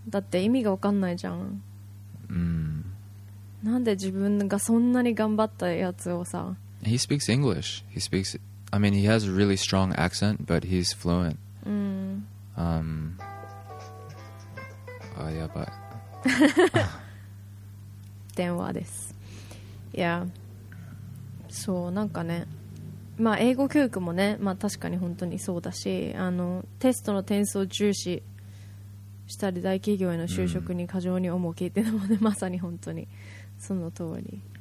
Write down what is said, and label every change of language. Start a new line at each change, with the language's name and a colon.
Japanese: だって意味が分かんないじゃん、なんで自分がそんなに頑張ったやつをさ。
English: He speaks English. He speaks, I mean, he has a really strong accent, but he's fluent.
Japanese: あ、やばい。電話です。いや、そうなんかね、まあ英語教育もね、まあ確かに本当にそうだし、あのテストの点数を重視したり大企業への就職に過剰に重きっていうのもね、まさに本当にその通り。